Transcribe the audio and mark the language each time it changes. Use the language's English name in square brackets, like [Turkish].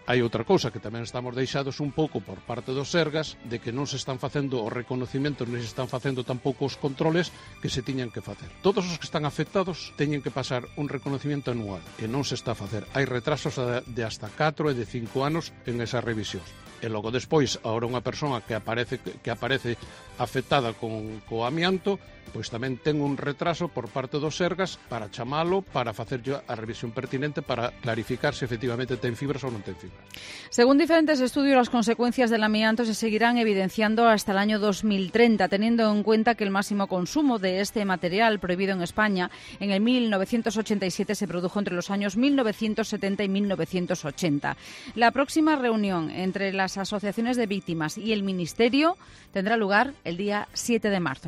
[Spanish] Hay otra cosa que también estamos deixados un poco por parte dos Sergas, de que no se están haciendo o reconocimientos, ni se están haciendo tampoco os controles que se tenían que hacer. Todos los que están afectados tienen que pasar un reconocimiento anual, que no se está a hacer. Hay retrasos de hasta 4 y de 5 años en esas revisiones. [Galician] E logo despois, ahora unha persoa que aparece afectada co amianto, pois tamén ten un retraso por parte dos Sergas para chamalo, para facerlle a revisión pertinente, para clarificar se efectivamente ten fibras ou non ten fibras. [Spanish] Según diferentes estudios, as consecuencias del amianto se seguirán evidenciando hasta el año 2030, teniendo en cuenta que el máximo consumo de este material prohibido en España en el 1987 se produjo entre los años 1970 y 1980. La próxima reunión entre las asociaciones de víctimas y el Ministerio tendrá lugar el día 7 de marzo.